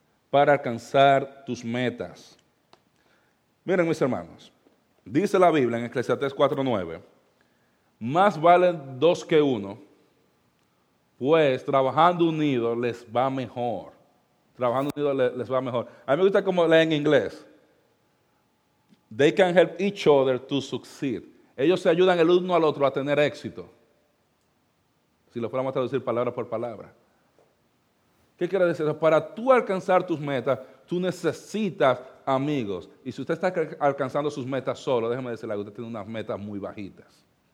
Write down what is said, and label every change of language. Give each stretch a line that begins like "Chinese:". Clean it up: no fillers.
Spanish: Para alcanzar tus metas. Miren, mis hermanos, dice la Biblia en Eclesiastés 4:9, más valen dos que uno, pues trabajando unidos les va mejor. Trabajando unidos les va mejor. A mí me gusta cómo leen en inglés.
English: They can help each other to succeed.
Spanish: Ellos se ayudan el uno al otro a tener éxito. Si lo fuéramos a traducir palabra por palabra. ¿Qué quiere decir? Para tú alcanzar tus metas, tú necesitas amigos. Y si usted está alcanzando sus metas solo, déjeme decirle que usted tiene unas metas muy bajitas.